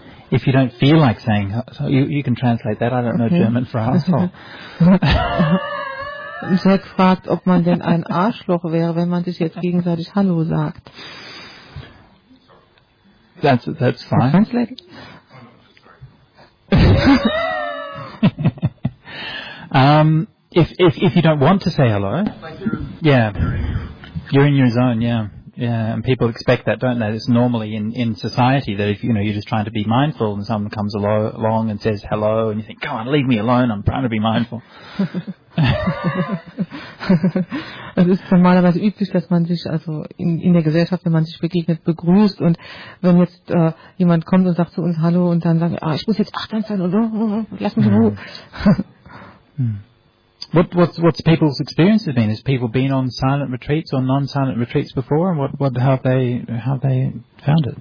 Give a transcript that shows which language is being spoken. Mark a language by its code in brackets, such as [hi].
[en] If you don't feel like saying, so you can translate that. I don't know German for asshole. [de] Jack fragt, ob man denn ein Arschloch wäre, wenn man sich jetzt gegenseitig Hallo sagt. [en] That's fine. Translate. if you don't want to say hello, yeah, you're in your zone, yeah. Yeah, and people expect that, don't they? It's normally in society that if, you know, you're just trying to be mindful and someone comes along and says hello and you think, come on, leave me alone, I'm trying to be mindful. [de] Es ist normalerweise üblich, dass man sich also in der Gesellschaft, wenn man sich begegnet, begrüßt, und wenn jetzt jemand kommt und sagt zu uns hallo und dann sagt, ich muss jetzt achtsam sein und lass mich ruhig. [en] What's people's experience have been? Has people been on silent retreats or non-silent retreats before, and how they found it?